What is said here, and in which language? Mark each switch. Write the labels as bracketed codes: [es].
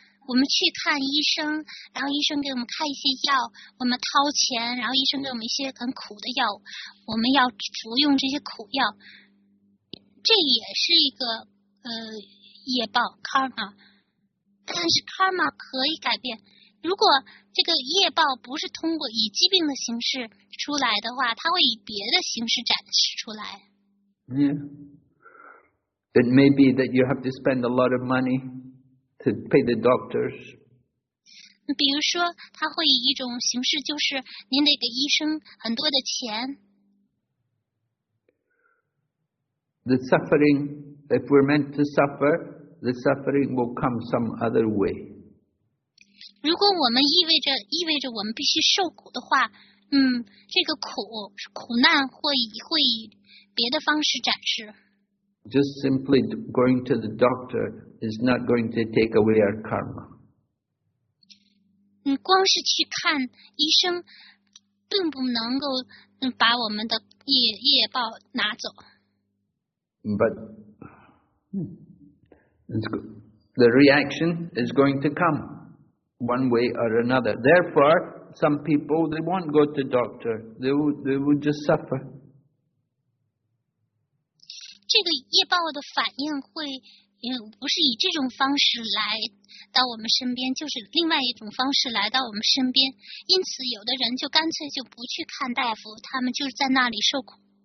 [zh] 我们去看医生，然后医生给我们开一些药，我们掏钱，然后医生给我们一些很苦的药，我们要服用这些苦药，这也是一个业报 karma。但是 karma 可以改变，如果这个业报不是通过以疾病的形式出来的话，它会以别的形式展示出来。 [en] Yeah, it may be that you have to spend a lot of money. To pay the doctors. [zh] 比如说，他会以一种形式，就是您得给医生很多的钱。 [en] The suffering, if we're meant to suffer, the suffering will come some other way. [zh] 如果我们意味着我们必须受苦的话，这个苦难会以别的方式展示。 [en] Just simply going to the doctor is not going to take away our karma. [zh] 光是去看医生，并不能够把我们的业报拿走。 [en] But the reaction is going to come one way or another. Therefore, some people, they won't go to doctor. They would just suffer. [zh] 这个业报的反应会不是以这种方式来到我们身边，就是另外一种方式来到我们身边，因此有的人就干脆就不去看大夫，他们就是在那里受苦。